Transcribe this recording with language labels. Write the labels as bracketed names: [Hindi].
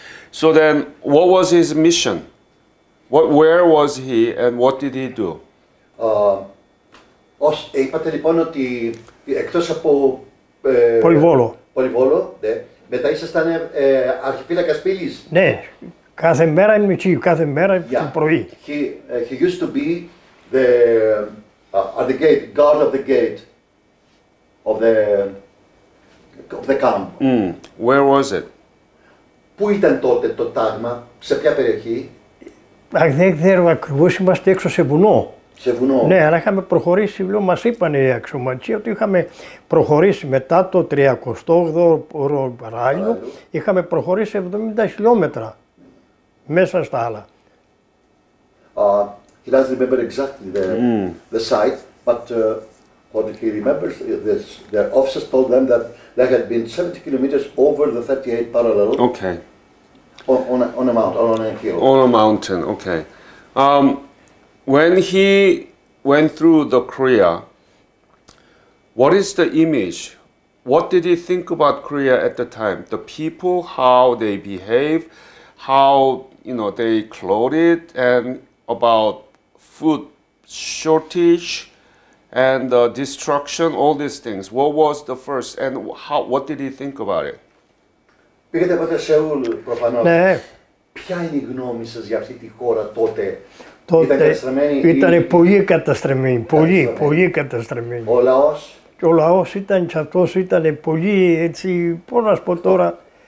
[English] So then, what was his mission? Where was he and what did he do? [Greek] Είπατε λοιπόν ότι εκτός από... Πολυβόλο. Πολυβόλο, ναι. Μετά ήσασταν αρχιφύλακας πύλης. Ναι. Κάθε μέρα είμαι εκεί, κάθε μέρα το πρωί. [English] He used to be the at the gate, guard of the gate of the camp. Mm. Where was it? Πού ήταν τότε το τάγμα, σε ποια περιοχή? Δεν ξέρω ακριβώς, είμαστε έξω σε βουνό. Σε βουνό. Ναι, αλλά είχαμε προχωρήσει, λέω, μας είπαν οι αξιωματικοί ότι είχαμε προχωρήσει μετά το 38ο ράλιο, είχαμε προχωρήσει 70 χιλιόμετρα μέσα στα άλλα. He doesn't remember exactly the site, but what he remembers is the officers told them that they had been 70 kilometers over the 38 parallel. Okay. On a hill. On a mountain, okay. When he went through the Korea, what is the image? What did he think about Korea at the time? The people, how they behave, how, you know, they clothed, and about food shortage and the destruction, all these things. What was the first and how? What did he think about it? [Greek] Πήγατε από το Σεούλ, προφανώς. Ναι. Ποια είναι η γνώμη σας για αυτή τη χώρα τότε? Ήτανε πολύ καταστρεμμένη, πολύ, πολύ καταστρεμμένη. Ο λαός. Και ο λαός ήταν και αυτός, ήταν πολύ έτσι, πώς να πω τώρα.